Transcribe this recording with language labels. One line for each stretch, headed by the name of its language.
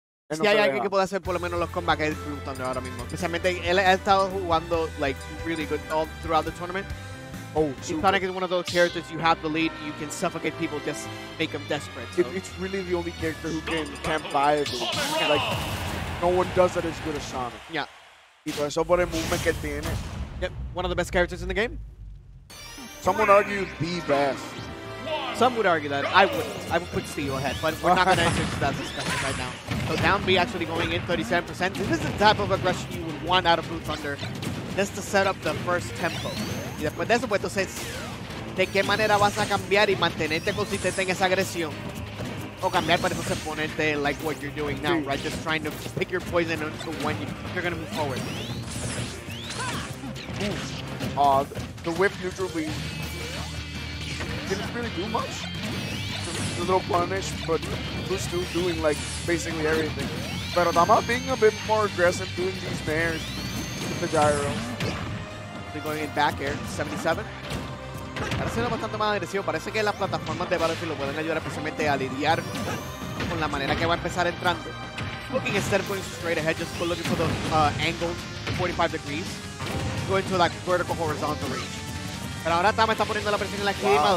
Spanish: Si hay alguien que pueda hacer por lo menos los comebacks, es BluThunder ahora mismo. Especialmente, él ha estado jugando,
English: like, really good all throughout the tournament. Oh, if Sonic is one of those characters, you have the lead, you can suffocate people, just make them desperate. So. It's really the only character who can't buy it. Yeah. Like, no one does it as good as Sonic. Yeah.
Spanish: Y por eso por el movement que tiene.
English: Yep, one of the best characters in the game. Some would argue the best. Some would argue that. I would put Steel ahead, but we're not going to enter into that discussion right now. So down B actually going in 37%. This is the type of aggression you would want out of BluThunder. Just to set up the first tempo.
Spanish: Y después de eso, pues entonces, ¿de qué manera vas a cambiar y mantenerte consistente en esa agresión? O cambiar para entonces ponerte
English: like what you're doing now, right? Just trying to pick your poison into when you're going to move forward. Ooh. The whip neutral B didn't really do much. Just a little punish, but who's still doing like basically everything. Pero Tama being a bit more aggressive doing these nairs with the gyro.
Spanish: Estoy
English: going in back air,
Spanish: 77. Parece siendo bastante más agresivo. Parece que las plataformas de Battlefield lo pueden ayudar especialmente a lidiar con la manera que va a empezar entrando.
English: Looking instead of going straight ahead, just looking for the angle, 45 degrees. Going to that vertical horizontal range.
Spanish: Pero ahora Tama está poniendo la presión en la esquina.